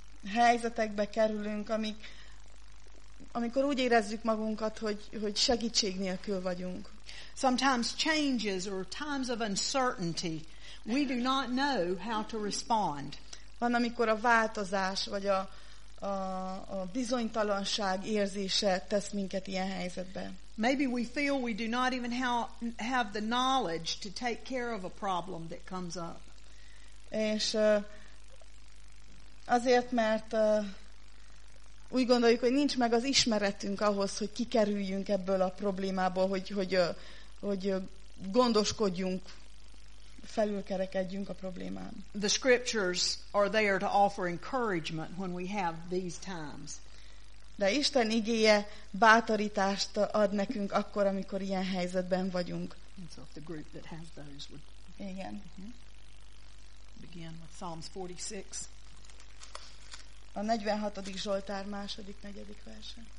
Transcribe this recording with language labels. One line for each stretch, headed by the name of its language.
Hungarian: helyzetekbe kerülünk, amikor úgy érezzük magunkat, hogy segítség nélkül vagyunk.
English: Sometimes changes or times of uncertainty, we do not know how to respond.
Hungarian: Van, amikor a változás vagy a bizonytalanság érzése tesz minket ilyen helyzetbe.
English: Maybe we feel we do not even have the knowledge to take care of a problem that comes up.
Hungarian: És azért, mert úgy gondoljuk, hogy nincs meg az ismeretünk ahhoz, hogy kikerüljünk ebből a problémából, hogy gondoskodjunk, felülkerekedjünk a problémán.
English: The scriptures are there to offer encouragement when we have these times.
Hungarian: De Isten igéje bátorítást ad nekünk akkor, amikor ilyen helyzetben vagyunk.
English: So the group that has those would...
Hungarian: Igen.
English: Begin with Psalms 46.
Hungarian: A 46. Zsoltár második, negyedik verse.